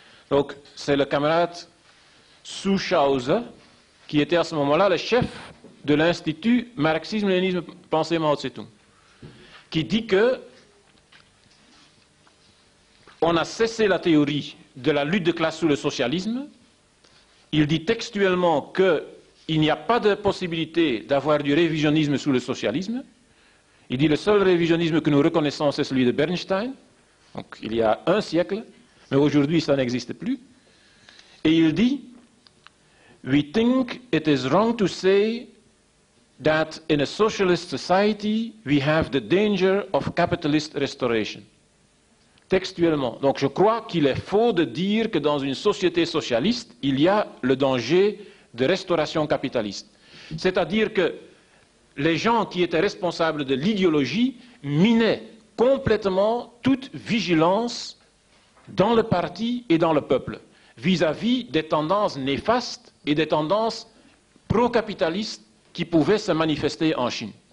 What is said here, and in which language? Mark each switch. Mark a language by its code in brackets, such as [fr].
[fr] Donc, c'est le camarade Su Shaoze qui était à ce moment-là le chef de l'Institut marxisme-léninisme-pensée Mao Tse-tung qui dit que on a cessé la théorie de la lutte de classe sous le socialisme. Il dit textuellement qu'il n'y a pas de possibilité d'avoir du révisionnisme sous le socialisme. Il dit que le seul révisionnisme que nous reconnaissons, c'est celui de Bernstein, donc il y a un siècle, mais aujourd'hui ça n'existe plus. Et il dit [en] « We think it is wrong to say that in a socialist society we have the danger of capitalist restoration ». [fr] Textuellement. Donc je crois qu'il est faux de dire que dans une société socialiste, il y a le danger de restauration capitaliste. C'est-à-dire que les gens qui étaient responsables de l'idéologie minaient complètement toute vigilance dans le parti et dans le peuple vis-à-vis des tendances néfastes et des tendances pro-capitalistes qui pouvaient se manifester en Chine.